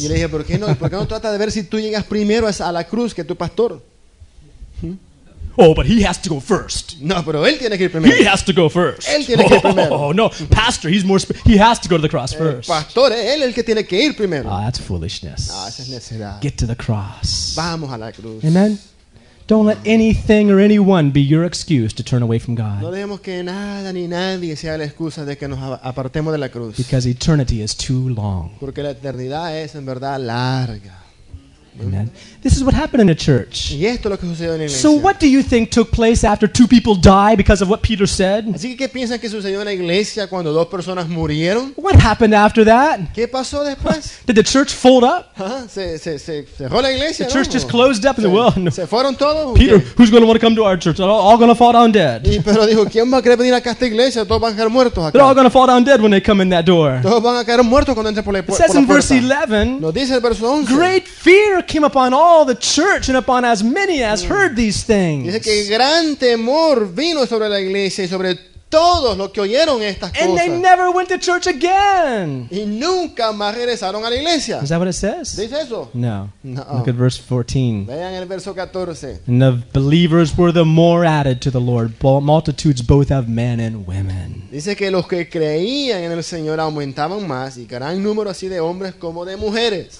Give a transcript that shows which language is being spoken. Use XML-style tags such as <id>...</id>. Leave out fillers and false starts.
<es>Y le dije, ¿por qué no? ¿Por qué no trata de ver si tú llegas primero a la cruz que tu pastor?</es> <en>Oh, but he has to go first.</en> <es>No, pero él tiene que ir primero.</es> <en>He has to go first.</en> <es>Él tiene que ir primero.</es> <en>Oh, no. Pastor, he's more he has to go to the cross first.</en> <es>Pastor, él es el que tiene que ir primero.</es> <en>Oh, that's foolishness.</en> <es>No, esa es necedad.</es> <en>Get to the cross.</en> <es>Vamos a la cruz.</es> <en>Amen. Don't let anything or anyone be your excuse to turn away from God.</en> <es>No dejemos que nada ni nadie sea la excusa de que nos apartemos de la cruz.</es> <en>Because eternity is too long.</en> <es>Porque la eternidad es en verdad larga.</es> <en>Amen. This is what happened in a church.</en> <es>Y esto es lo que sucedió en la iglesia.</es> <en>So what do you think took place after two people die because of what Peter said?</en> <es>Así que, ¿qué piensan que sucedió en la iglesia cuando dos personas murieron?</es> <en>What happened after that?</en> <es>¿Qué pasó después?</es> <en>Did the church fold up?</en> <es>Se cerró la iglesia,</es> <en>the</en> <es>¿no?</es> <en>church just closed up and said, well, no.</en> <es>¿Se fueron todos?</es> <en>Peter, okay. Who's going to want to come to our church? They're all going to fall down dead.</en> <es>Y Pedro dijo, ¿quién va a querer venir acá a esta iglesia? Todos van a caer muertos acá.</es> <en>They're all going to fall down dead when they come in that door.</en> <es>Todos van a caer muertos cuando entren por la puerta.</es> <en>It says in verse 11,</en> <es>nos dice el verso 11,</es> <en>great fear came upon all the church and upon as many as heard these things.</en> <es>Dice que gran temor vino sobre la iglesia y sobre todos los que oyeron estas cosas.</es> <en>And they never went to church again.</en> <es>Y nunca más regresaron a la iglesia.</es> <en>Is that what it says?</en> <es>¿Dice eso?</es> <en>No. Look at verse 14.</en> <es>Vean el verso 14.</es> <en>And the believers were the more added to the Lord, multitudes both of men and women.</en> <es>Dice que los que creían en el Señor aumentaban más y gran número así de hombres como de mujeres.</es>